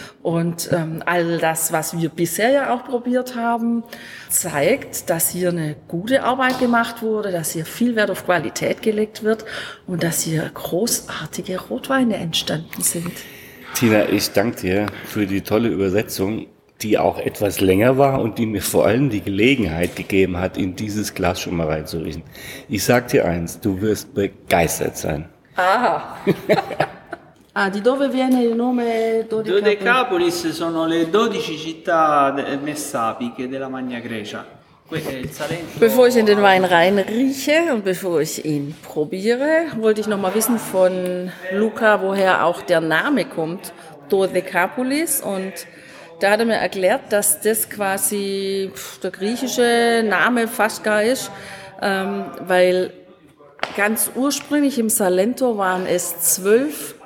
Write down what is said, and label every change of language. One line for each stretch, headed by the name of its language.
German: Und all das, was wir bisher ja auch probiert haben, zeigt, dass hier eine gute Arbeit gemacht wurde, dass hier viel Wert auf Qualität gelegt wird und dass hier großartige Rotweine entstanden sind. Tina, ich danke dir für die tolle Übersetzung, die auch etwas länger war und die mir vor allem die Gelegenheit gegeben hat, in dieses Glas schon mal reinzuriechen. Ich sag dir eins, du wirst begeistert sein. Aha.
Italian: Ah, di dove viene il nome Dodecapolis? Dodecapolis sono le 12 città messapiche della Magna Grecia.
German: Bevor ich in den Wein reinrieche und bevor ich ihn probiere, wollte ich noch mal wissen von Luca, woher auch der Name kommt, Dodecapolis. Und da hat er mir erklärt, dass das quasi der griechische Name fast gar ist, weil ganz ursprünglich im Salento waren es 12